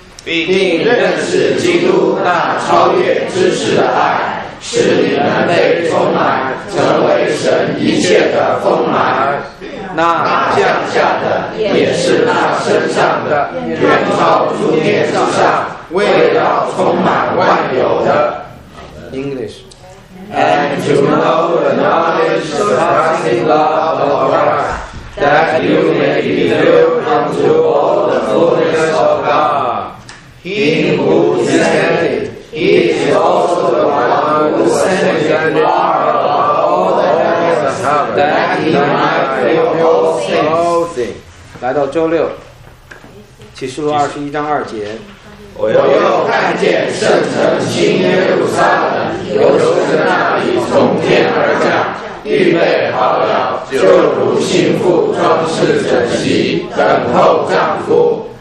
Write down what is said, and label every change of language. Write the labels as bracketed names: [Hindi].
[Chinese] 并认识基督那超越知识的爱，使你们被充满，成为神一切的丰满。那降下的也是那身上的，远超诸天之上，为了充满万有的。 [English] English. And to know the knowledge surpassing love of Christ, that you may be filled unto all the fullness of God. He who descended, he is also the one who sent you far above all the heavens, that he might fill all things. [Chinese] 来到周六，启示录二十一章二节。我又看见圣城新耶路撒冷，犹如是那里从天而降，预备好了，就如新妇装饰整齐，等候丈夫。